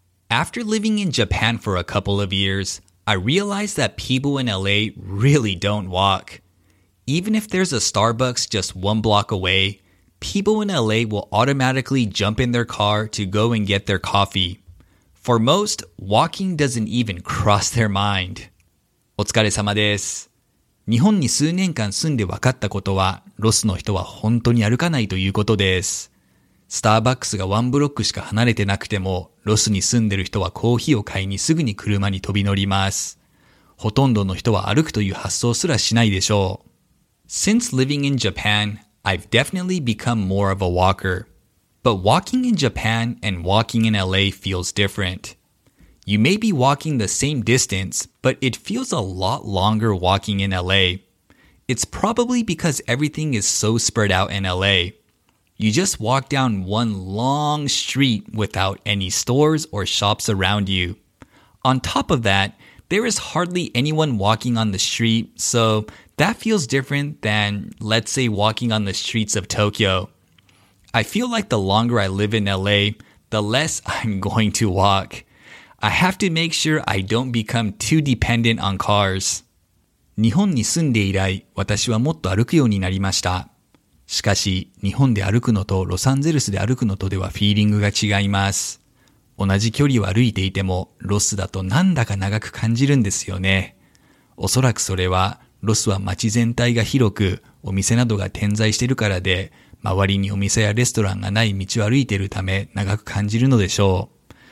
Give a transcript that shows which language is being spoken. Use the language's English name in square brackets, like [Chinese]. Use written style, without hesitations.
[English] After living in Japan for a couple of years, I realized that people in LA really don't walk. Even if there's a Starbucks just one block away, people in LA will automatically jump in their car to go and get their coffee. For most, walking doesn't even cross their mind. [Japanese] お疲れ様です。日本に数年間住んでわかったことは、ロスの人は本当に歩かないということです。スターバックスがワンブロックしか離れてなくても、ロスに住んでる人はコーヒーを買いにすぐに車に飛び乗ります。ほとんどの人は歩くという発想すらしないでしょう。 [English] Since living in Japan, I've definitely become more of a walker. But walking in Japan and walking in LA feels different. You may be walking the same distance, but it feels a lot longer walking in LA. It's probably because everything is so spread out in LA. You just walk down one long street without any stores or shops around you. On top of that, there is hardly anyone walking on the street, so that feels different than, let's say, walking on the streets of Tokyo. I feel like the longer I live in LA, the less I'm going to walk. I have to make sure I don't become too dependent on cars. [Japanese] 日本に住んで以来、私はもっと歩くようになりました。しかし、日本で歩くのとロサンゼルスで歩くのとではフィーリングが違います。同じ距離を歩いていても、ロスだとなんだか長く感じるんですよね。おそらくそれは、ロスは街全体が広く、お店などが点在しているからで、周りにお店やレストランがない道を歩いているため、長く感じるのでしょう。